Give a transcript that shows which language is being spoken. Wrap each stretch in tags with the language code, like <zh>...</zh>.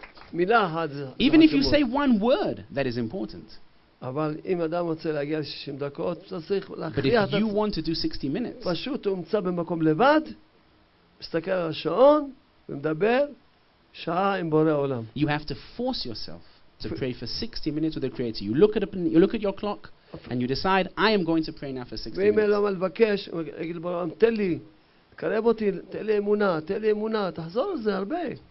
<en>Even if you say one word, that is important.</en> <he>אבל אם אדם רוצה להגיע ל 60 דקות, אתה צריך להכריע.</he> <en>But if you want to do 60 minutes,</en> <he>פשוט הוא מצא במקום לבד, מסתכל על השעון, ומדבר, שעה עם בורא עולם.</he> <en>You have to force yourself to pray for 60 minutes with the Creator. You look at your clock, and you decide, I am going to pray now for 60 minutes.</en> <he>ואם אלוהים מבקש, אגיד לבורא עולם, תן לי, קרב אותי, תן לי אמונה, תן לי אמונה, תחזור על זה הרבה.</he>